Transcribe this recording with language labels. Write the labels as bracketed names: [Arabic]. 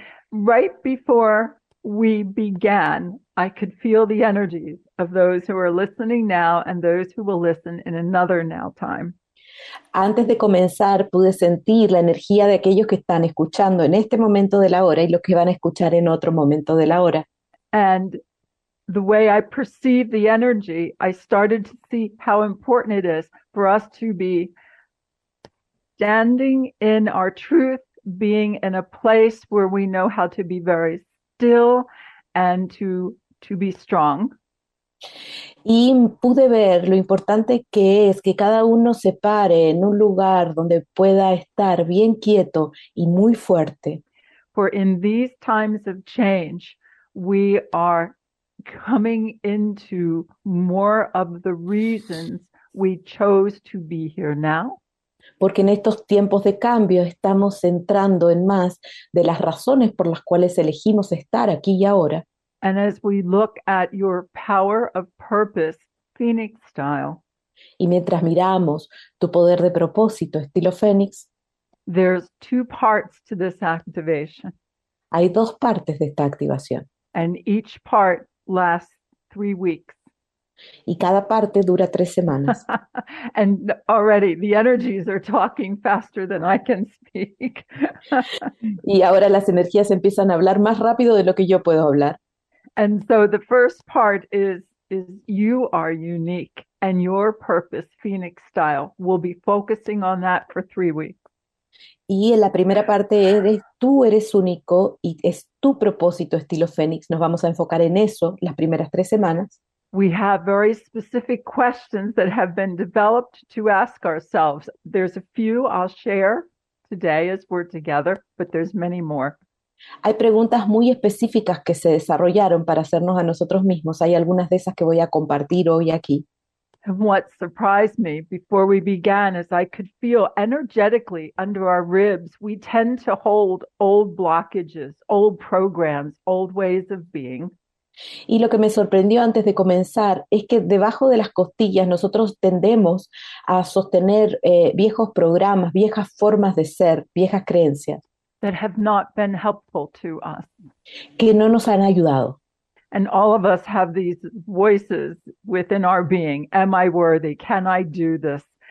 [English] Right before we began, I could feel the energies of those who are listening now and those who will listen in another now time. [Spanish] Antes de comenzar, pude sentir la energía de aquellos que están escuchando en este momento de la hora y los que van a escuchar en otro momento de la hora. [English] And the way I perceive the energy, I started to see how important it is for us to be standing in our truth, being in a place where we know how to be very still and to be strong. [Spanish] Y pude ver lo importante que es que cada uno se pare en un lugar donde pueda estar bien quieto y muy fuerte. [English] For in these times of change, we are coming into more of the reasons we chose to be here now. [Spanish] Porque en estos tiempos de cambio estamos entrando en más de las razones por las cuales elegimos estar aquí y ahora. [English] And as we look at your power of purpose, Phoenix style. [Spanish] Y mientras miramos tu poder de propósito, estilo Fénix. [English] There's two parts to this activation. [Spanish] Hay dos partes de esta activación. [English] And each part lasts 3 weeks. [Spanish] Y cada parte dura 3 semanas. [English] And already the energies are talking faster than I can speak. [Spanish] Y ahora las energías empiezan a hablar más rápido de lo que yo puedo hablar. [English] And so the first part is you are unique and your purpose, Phoenix style. We'll be focusing on that for 3 weeks. [Spanish] Y en la primera parte tú eres único y es tu propósito, estilo Fénix. Nos vamos a enfocar en eso las primeras 3 semanas. [English] We have very specific questions that have been developed to ask ourselves. There's a few I'll share today as we're together, but there's many more. [Spanish] Hay preguntas muy específicas que se desarrollaron para hacernos a nosotros mismos. Hay algunas de esas que voy a compartir hoy aquí. [English] And what surprised me before we began is I could feel energetically under our ribs, we tend to hold old blockages, old programs, old ways of being. [Spanish] Y lo que me sorprendió antes de comenzar es que debajo de las costillas nosotros tendemos a sostener viejos programas, viejas formas de ser, viejas creencias [English] that have not been helpful to us. [Spanish] que no nos han ayudado. [English] And all of us have these voices within our being. Am I worthy? Can I do this?